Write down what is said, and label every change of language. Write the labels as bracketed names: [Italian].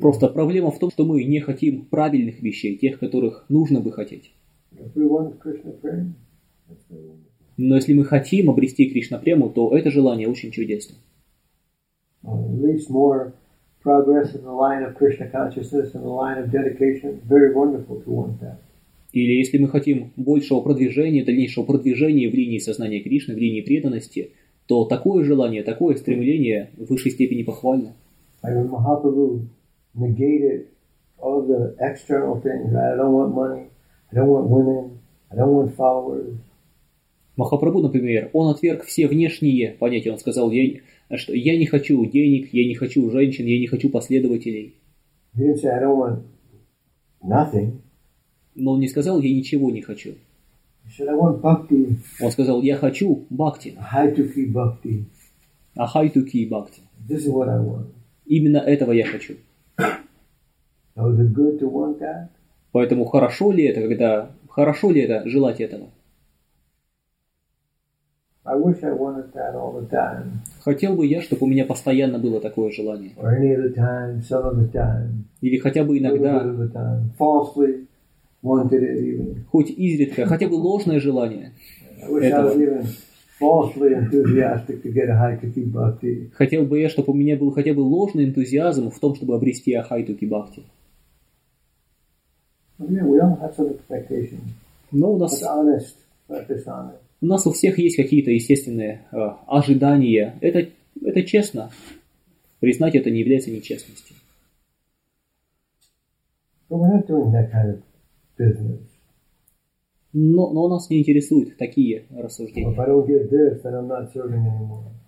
[Russian] Просто проблема в том, что мы не хотим правильных вещей, тех, которых нужно бы хотеть. [English] If we want Krishna prema. [Russian] Но если мы хотим обрести Кришна-прему, то это желание очень чудесно. [English] At least more progress in the line of Krishna consciousness and the line of dedication. Very wonderful to want that. [Russian] Или если мы хотим большего продвижения, дальнейшего продвижения в линии сознания Кришны, в линии преданности, то такое желание, такое стремление в высшей степени похвально. [English] Like Mahaprabhu negated all the external things. I don't want money. I don't want women. I don't want followers. [Russian] Махапрабху, например, он отверг все внешние понятия. Он сказал, что я не хочу денег, я не хочу женщин, я не хочу последователей. [English] He didn't say, I don't want nothing. [Russian] Но он не сказал, я ничего не хочу. [English] He said, I want bhakti. [Russian] Он сказал, я хочу бхакти. Ахайтуки бхакти. Ахайтуки бхакти. [English] This is what I want. [Russian] Именно этого я хочу. [English] So is it good to want that? [Russian] Поэтому хорошо ли это, когда хорошо ли это желать этого? [English] I wish I wanted that all the time. [Russian] Хотел бы я, чтобы у меня постоянно было такое желание. [English] Or any of the time, some of the time. [Russian] Или хотя бы иногда. [English] Little bit of the time. Falsely wanted it even. [Russian] Хоть изредка, хотя бы ложное желание. [English] I wish [Russian] этого. [English] I was even falsely enthusiastic to get a Ahaituki Bhakti. [Russian] Хотел бы я, чтобы у меня был хотя бы ложный энтузиазм в том, чтобы обрести Ahaituki Bhakti. [English] Yeah, we all have some expectations. [Russian] Но у нас. [English] That's honest, but dishonest. [Russian] У нас у всех есть какие-то естественные ожидания. Это честно. Признать это не является нечестностью. [English] But we're not doing that kind of business. [Russian] Но нас не интересуют такие рассуждения. [English] If I don't get this, then I'm not serving anymore.